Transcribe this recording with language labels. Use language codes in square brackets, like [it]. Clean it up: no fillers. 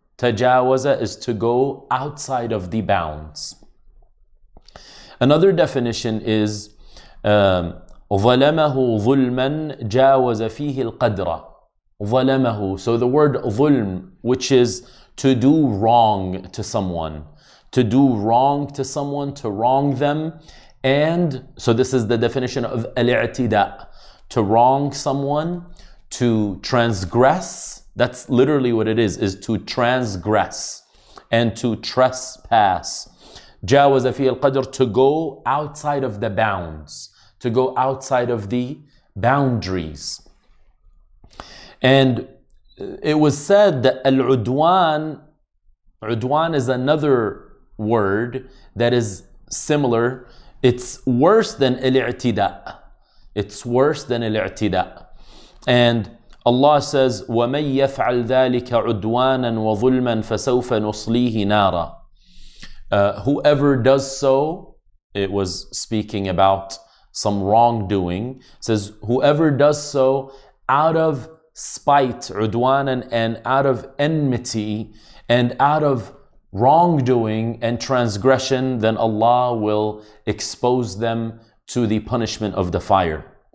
[en] Tajawaza is to go outside of the bounds. Another definition is [ar] ظَلَمَهُ ظُلْمًا جَاوَزَ فِيهِ الْقَدْرَ. [en] ظَلَمَهُ, so the word ظُلْم, which is to do wrong to someone, to do wrong to someone, to wrong them. And so this is the definition of al-i'tida, to wrong someone, to transgress. That's literally what it is to transgress and to trespass. [ar] Jawaza fi al-qadr, [en] to go outside of the bounds, to go outside of the boundaries. And it was said that al-udwan, udwan is another word that is similar. It's worse than al-i'tida. It's worse than al-i'tida. And Allah says, [ar] وَمَنْ يَفْعَلْ ذَٰلِكَ عُدْوَانًا وَظُلْمًا فَسَوْفَ نُصْلِيهِ نَارًا. [en] Whoever does so, it was speaking about some wrongdoing, says, whoever does so out of spite, عُدْوَانًا, and out of enmity, and out of wrongdoing and transgression, then Allah will expose them to the punishment of the fire.